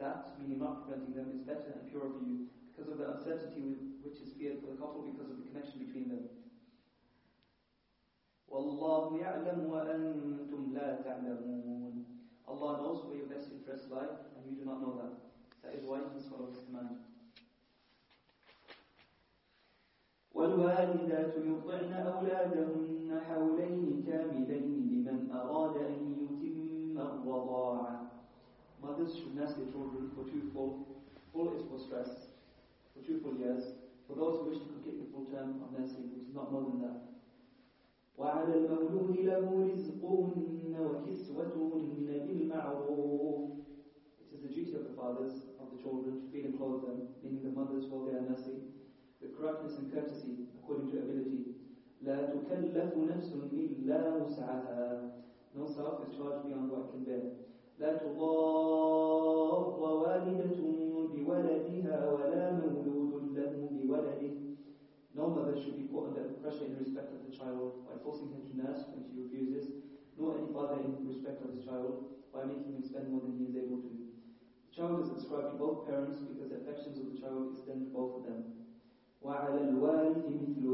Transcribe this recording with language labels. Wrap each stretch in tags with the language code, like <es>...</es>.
<en>That, meaning not preventing them, is better and purer for you because of the uncertainty which is feared for the couple because of the connection between them.</en> <ar>وَاللَّهُ يَعْلَمُ وَأَنْتُمْ لَا تَعْلَمُونَ.</ar> <en>Allah knows where your best interests lie, and you do not know that. That is why he follows his command.</en> <ar>والوالدات يرضعن أولادهن حولين كاملين لمن أراد أن يتم الرضاعة.</ar> <en>Mothers should nurse their children for twofold. Full is for stress. for 2 full years. For those who wish to complete the full term of nursing, which is not more than that.</en> <ar>وعلى المولود له رزقهن وكسوتهن من بالمعروف.</ar> <en>It is the duty of the fathers of the children to feed and clothe them, meaning the mothers while they are nursing, with correctness and courtesy according to ability.</en> <ar>لا تكلف نفس إلا وسعها.</ar> <en>No self is charged beyond what it can bear.</en> <ar>لا تضار والدة بولدها ولا مولود له بولده.</ar> <en>No mother should be put under pressure in respect of the child by forcing him to nurse when she refuses, nor any father in respect of his child by making him spend more than he is able to. The child is ascribed to both parents because the affections of the child extend to both of them.</en> <ar>وَعَلَى الْوَالِدِ مِثْلُ</ar>